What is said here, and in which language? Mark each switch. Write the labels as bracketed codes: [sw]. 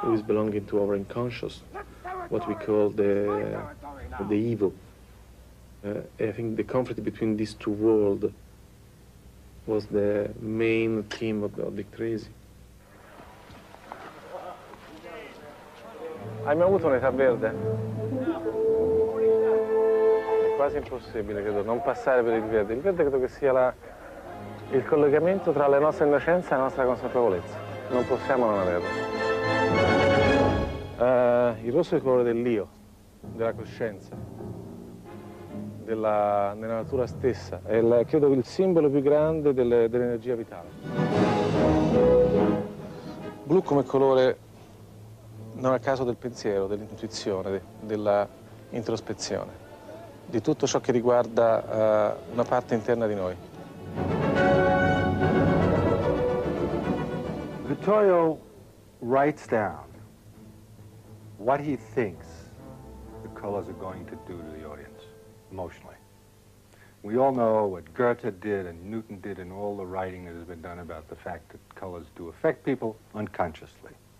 [en] who is belonging to our unconscious, what we call the evil. I think the conflict between these two worlds was the main theme of Dick Tracy. [it] Hai mai avuto un'età verde? È quasi impossibile, credo, non passare per il verde. Il verde credo che sia il collegamento tra la nostra innocenza e la nostra consapevolezza. Non possiamo non averlo. Il rosso è il colore dell'io, della coscienza, della natura stessa. È credo il simbolo più grande dell'energia vitale. Blu come colore non a caso del pensiero, dell'intuizione, della introspezione, di tutto ciò che riguarda una parte interna di noi. [en] Vittorio writes down what he thinks the colors are going to do to the audience emotionally. We all know what Goethe did and Newton did and all the writing that has been done about the fact that colors do affect people unconsciously.